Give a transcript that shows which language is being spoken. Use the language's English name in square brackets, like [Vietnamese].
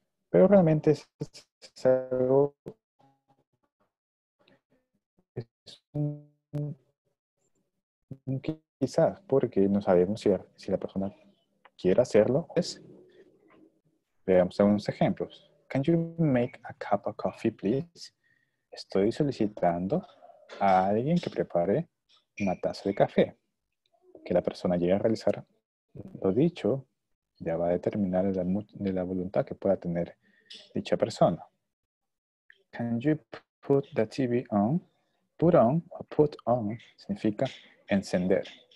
[Spanish] Pero realmente es algo, es un quizás, porque no sabemos si la persona quiere hacerlo. Veamos algunos ejemplos. [English] Can you make a cup of coffee, please? [Spanish] Estoy solicitando a alguien que prepare una taza de café. Que la persona llegue a realizar lo dicho, ya va a determinar de la voluntad que pueda tener dicha persona. [English] Can you put the TV on? Put on o put on [Spanish] significa encender.